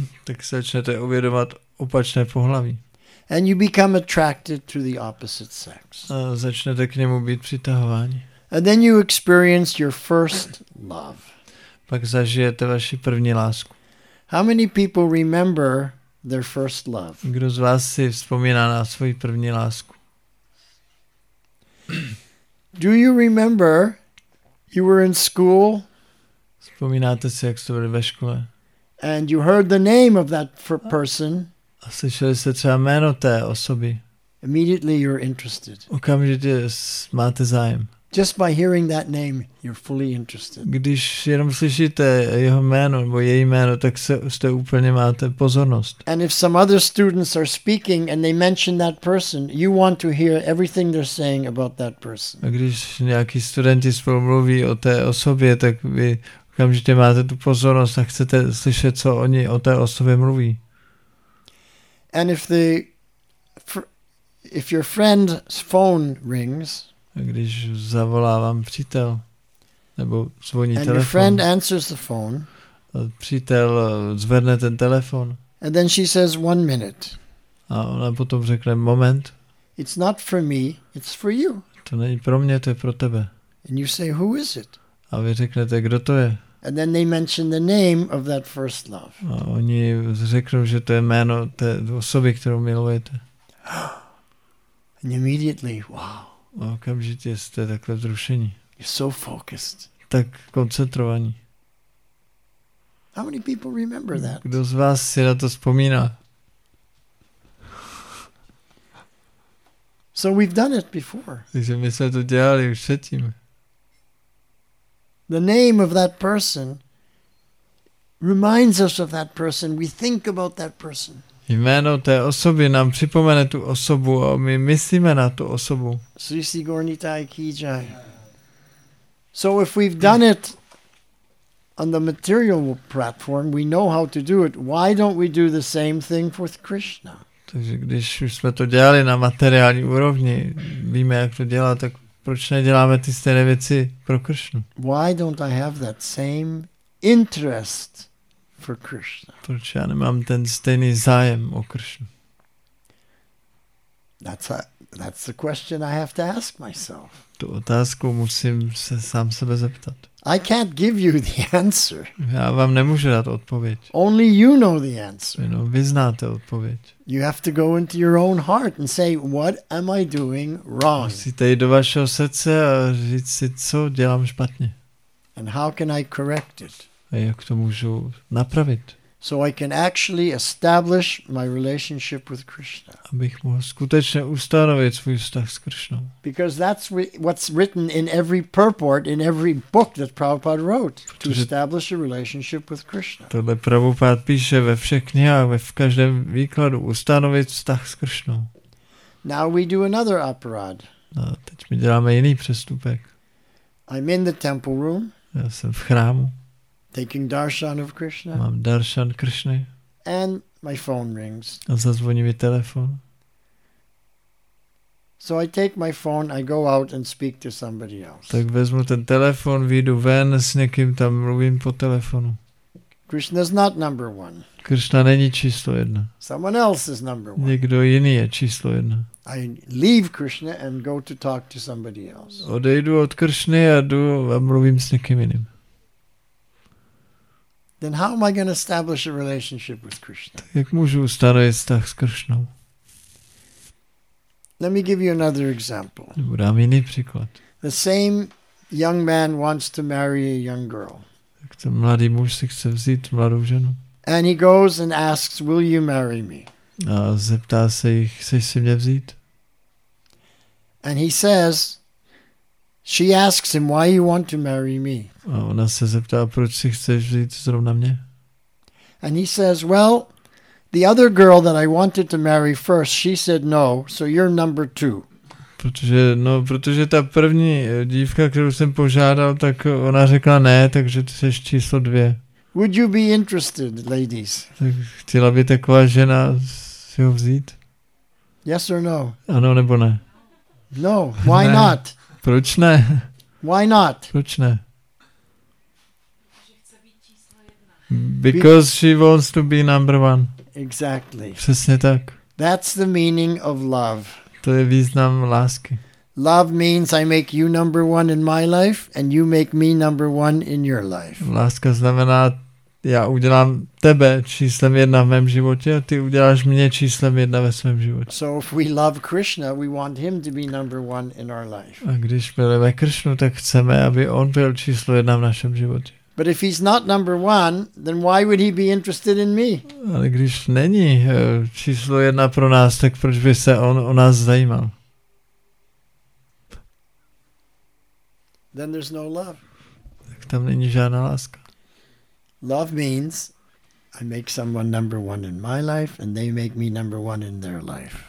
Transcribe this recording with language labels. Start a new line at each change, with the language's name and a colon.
Czech: Tak se začnete uvědomovat opačné pohlaví.
English: And you become attracted to the opposite sex.
Czech: A začnete k němu být přitahováni.
English: And then you experience your first love.
Czech: Pak zažijete vaši první lásku.
English: How many people remember their first love?
Czech: Kdo z vás si vzpomíná na svou první lásku?
English: Do you remember you were in school?
Czech: Vzpomínáte si, jak jste byli ve škole?
English: And you heard the name of that person?
Czech: A slyšeli jste třeba jméno té osoby?
English: Immediately you're interested.
Czech: Okamžitě máte zájem.
English: Just by hearing that name, you're fully interested.
Czech: Když jenom slyšíte jeho jméno nebo její jméno, tak jste úplně máte pozornost.
English: And if some other students are speaking and they mention that person, you want to hear everything they're saying about that person.
Czech: A když nějaký studenti spolu mluví o té osobě, tak vy okamžitě máte tu pozornost a chcete slyšet, co oni o té osobě mluví.
English: And if your friend's phone rings.
Czech: A když zavolá vám přítel, nebo zvoní
English: and
Czech: telefon.
English: And your friend answers the phone.
Czech: Přítel zvedne ten telefon.
English: And then she says, one minute.
Czech: A ona potom řekne, moment.
English: It's not for me, it's for you.
Czech: To není pro mě, to je pro tebe.
English: And you say, who is it?
Czech: A vy řeknete, kdo to je?
English: And then they mention the name of that first love.
Czech: A oni řeknou, že to je jméno té osoby, kterou milujete.
English: And immediately, wow.
Czech: Okamžitě jste takhle vzrušení.
English: You're so focused.
Czech: Tak koncentrovaní.
English: How many people remember that?
Czech: Kdo z vás si na to vzpomíná?
English: So we've done it before.
Czech: Takže my jsme to dělali už předtím.
English: The name of that person reminds us of that person. We think about that person.
Czech: Jméno té osoby nám připomene tu osobu a my myslíme na tu osobu.
Sanskrit: Srisi Gornitai Kijai.
English: So if we've done it on the material platform, we know how to do it. Why don't we do the same thing for Krishna?
Czech: Takže když už jsme to dělali na materiální úrovni, víme, jak to dělat, tak proč neděláme ty stejné věci pro Krishnu?
English: Why don't I have that same interest for Krishna?
Czech: Proč já nemám ten stejný zájem o Krishnu?
English: That's the question I have to ask myself.
Czech: Tu otázku musím se sám sebe zeptat.
English: I can't give you the answer.
Czech: Já vám nemůžu dát odpověď.
English: Only you know the answer.
Czech: Jenom vy znáte odpověď.
English: You have to go into your own heart and say, what am I doing wrong?
Czech: Musíte jít do vašeho srdce a říct si, co dělám špatně.
English: And how can I correct it?
Czech: A jak to můžu napravit?
English: So I can actually establish my relationship with Krishna.
Czech: Abych mohl skutečně ustanovit svůj vztah s Krishnou.
English: Because that's what's written in every purport, in every book that Prabhupada wrote, to establish a relationship with Krishna.
Czech: Tohle Prabhupada píše ve všech knihách, v každém výkladu, ustanovit vztah s Krishnou.
English: Now we do another aparad.
Czech: No, teď my děláme jiný přestupek.
English: I'm in the temple room.
Czech: Já jsem v chrámu.
English: Taking darshan of Krishna.
Czech: Mám darshan Krishny.
English: And my phone rings.
Czech: A zazvoní mi telefon.
English: So I take my phone, I go out and speak to somebody else.
Czech: Tak vezmu ten telefon, vyjdu ven, s někým tam mluvím po telefonu.
English: Krishna's not number one.
Czech: Krishna není číslo jedna.
English: Someone else is number one.
Czech: Někdo jiný je číslo jedna.
English: I leave Krishna and go to talk to somebody else.
Czech: Odejdu od Krishny a jdu a mluvím s někým jiným.
English: then how am I going to establish a relationship with Krishna?
Czech: Jak můžu ustanovit vztah s Krishnou?
English: Let me give you another example.
Czech: Dám jiný příklad.
English: The same young man wants to marry a young girl.
Czech: Tak ten mladý muž si chce vzít mladou ženu.
English: And he goes and asks, "Will you marry me?"
Czech: A zeptá se jich, chceš si mě vzít?
English: And he says, she asks him, "Why you want to marry me?"
Czech: A ona se zeptá, proč si chceš vzít zrovna mě?
English: And he says, "Well, the other girl that I wanted to marry first, she said no, so you're number two."
Czech: Protože, no, protože ta první dívka, kterou jsem požádal, tak ona řekla ne, takže ty jsi číslo dvě.
English: Would you be interested, ladies?
Czech: Tak chtěla by taková žena si ho vzít?
English: Yes or no?
Czech: Ano nebo ne?
English: No, why ne. Not?
Czech: Proč ne?
English: Why not?
Czech: Proč ne?
English: Because she wants to be number one. Exactly.
Czech: Přesně tak.
English: That's the meaning of love.
Czech: To je význam lásky.
English: Love means I make you number one in my life and you make me number one in your life.
Czech: Láska znamená, já udělám tebe číslem jedna v mém životě a ty uděláš mě číslem jedna ve svém životě.
English: So if we love Krishna, we want him to be number one in our life.
Czech: A když milujeme Krishnu, tak chceme, aby on byl číslo jedna v našem životě.
English: But if he's not number one, then why would he be interested in me?
Czech: Ale když není číslo jedna pro nás, tak proč by se on o nás zajímal?
English: Then there's no love.
Czech: Tak tam není žádná láska.
English: Love means I make someone number one in my life and they make me number one in their life.